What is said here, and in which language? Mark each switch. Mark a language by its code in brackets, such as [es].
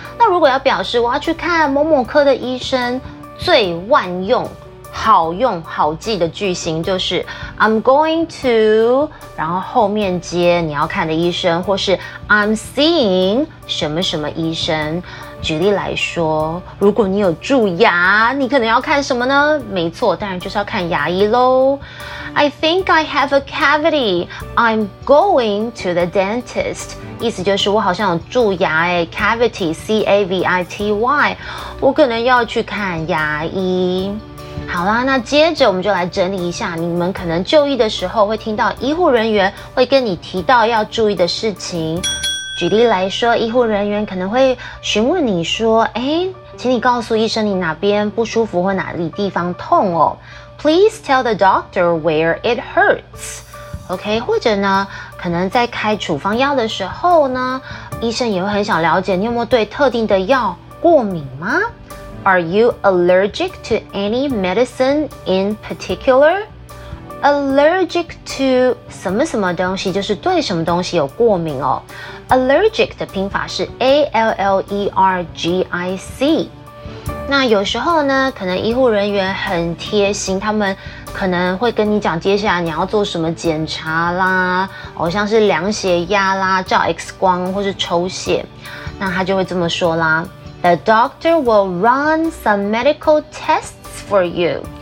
[zh] 那如果要表示我要去看某某科的医生，最万用好用好记的句型就是 [en] I'm going to， [zh] 然后后面接你要看的医生，或是 [en] I'm seeing [zh] 什么什么医生。举例来说，如果你有蛀牙，你可能要看什么呢？没错，当然就是要看牙医咯。 [en] I think I have a cavity， I'm going to the dentist。 [zh] 意思就是我好像有蛀牙耶， cavity， C-A-V-I-T-Y， 我可能要去看牙医。好啦，那接着我们就来整理一下你们可能就医的时候会听到医护人员会跟你提到要注意的事情。举例来说，医护人员可能会询问你说，哎，请你告诉医生你哪边不舒服或哪里地方痛哦。 [en] Please tell the doctor where it hurts。 [zh] OK， 或者呢可能在开处方药的时候呢，医生也会很想了解你有没有对特定的药过敏吗？ [en] Are you allergic to any medicine in particular? Allergic to [zh] 什么什么东西，就是对什么东西有过敏哦。 Allergic 的拼法是 A-L-L-E-R-G-I-C。那有时候呢，可能医护人员很贴心，他们可能会跟你讲接下来你要做什么检查啦，好像是量血压啦，照 X 光或是抽血，那他就会这么说啦。 [en] The doctor will run some medical tests for you.